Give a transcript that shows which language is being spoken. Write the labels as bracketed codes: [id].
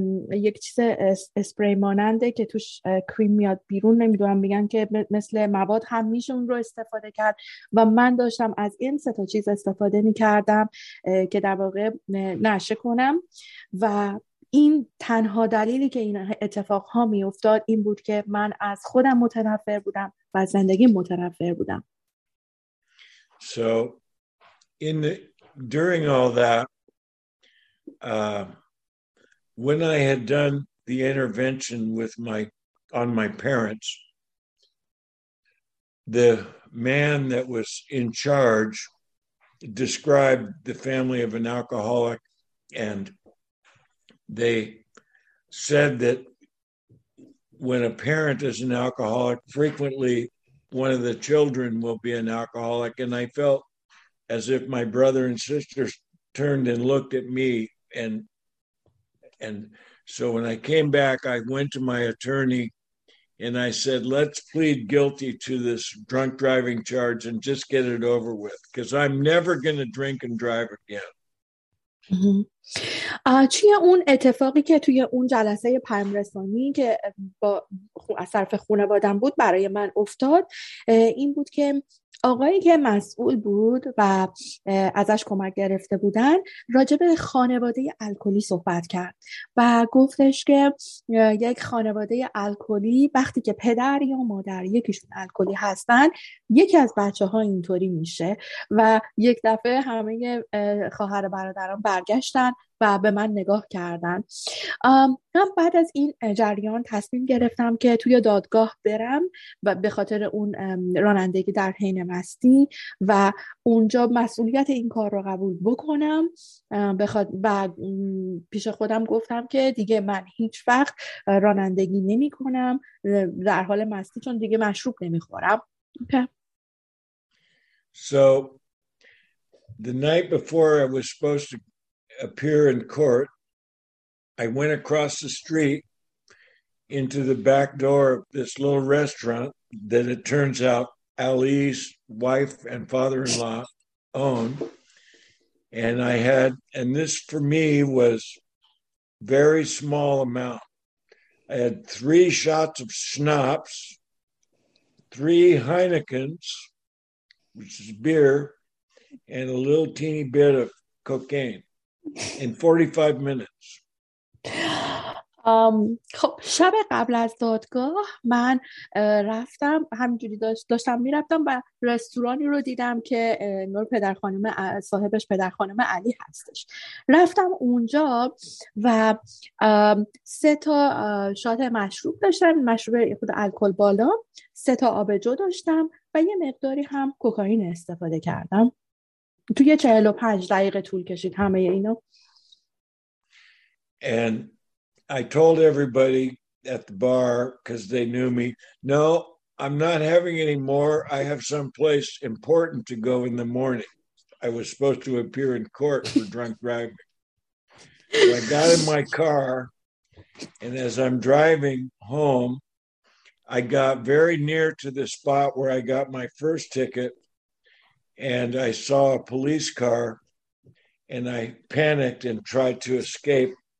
[fa] یک چیز اسپری ماننده که توش کریم میاد بیرون، نمیدونم میگن که مثل مواد هم میشه اون رو استفاده کرد، و من داشتم از این سه تا چیز استفاده میکردم که در واقع نشه کنم. و این تنها دلیلی که این اتفاق ها می افتاد این بود که من از خودم متنفر بودم و از زندگی متنفر بودم. [en] So during all that when I had done the intervention on my parents, the man that was in charge described the family of an alcoholic, and they said that when a parent is an alcoholic, frequently one of the children will be an alcoholic. And I felt as if my brother and sister turned and looked at me. And so when I came back, I went to my attorney and I said, let's plead guilty to this drunk driving charge and just get it over with, because I'm never going to drink and drive again. [fa] چی اون اتفاقی که توی اون جلسه پیام‌رسانی که با از طرف خانواده‌ام بود برای من افتاد این بود که آقایی که مسئول بود و ازش کمک گرفته بودن راجب خانواده الکلی صحبت کرد و گفتش که یک خانواده الکلی وقتی که پدر یا مادر یکیشون الکلی هستن یکی از بچه‌ها اینطوری میشه و یک دفعه همه خواهر برادران برگشتن و به من نگاه کردن. من بعد از این جریان تصمیم گرفتم که توی دادگاه برم و به خاطر اون رانندگی در حین مستی و اونجا مسئولیت این کار رو قبول بکنم و پیش خودم گفتم که دیگه من هیچ وقت رانندگی نمی کنم در حال مستی چون دیگه مشروب نمی خورم. [en] So the night before I was supposed to appear in court, I went across the street into the back door of this little restaurant that it turns out Ali's wife and father-in-law own. And I had, and this for me was very small amount. I had 3 shots of schnapps, 3 Heinekens, which is beer, and a little teeny bit of cocaine. In 45 minutes. [fa] خب شب قبل از دادگاه من رفتم همینجوری داشتم میرفتم و رستورانی رو دیدم که نور پدر خانم صاحبش پدر خانم علی هستش. رفتم اونجا و 3 تا شات مشروب داشتم، مشروب خود الکل بالا، 3 تا آبجو داشتم و یه مقداری هم کوکائین استفاده کردم. توی 45 دقیقه طول کشید همه اینو. [en] And I told everybody at the bar, because they knew me, no, I'm not having any more. I have someplace important to go in the morning. I was supposed to appear in court for drunk driving. So I got in my car, and as I'm driving home, I got very near to the spot where I got my first ticket, and I saw a police car, and I panicked and tried to escape.